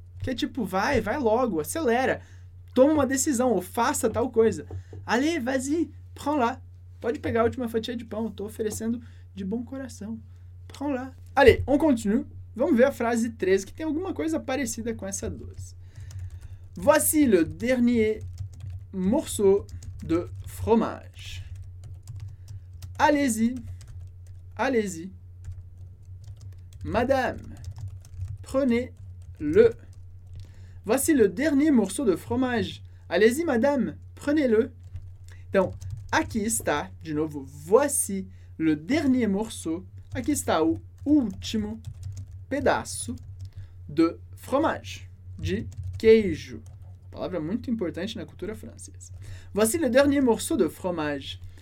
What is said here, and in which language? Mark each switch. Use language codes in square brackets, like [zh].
[pt] Que é tipo, vai logo, acelera. Toma uma decisão ou faça tal coisa. [fr] Allez, vas-y, prends-la. [pt] Pode pegar a última fatia de pão. Estou oferecendo de bom coração. [fr] Prends-la. Allez, on continue. [pt] Vamos ver a frase 13, que tem alguma coisa parecida com essa 12. [fr] Voici le dernier morceau de fromage. Allez-y, allez-y. Madame, prenez-le. Voici le dernier morceau de fromage. Allez-y, madame, prenez-le. [pt] Então, aqui está, de novo, [fr] voici le dernier morceau. [pt] Aqui está o último pedaço de fromage, de queijo. Palavra muito importante na cultura francesa. [fr] Voici le dernier morceau de fromage.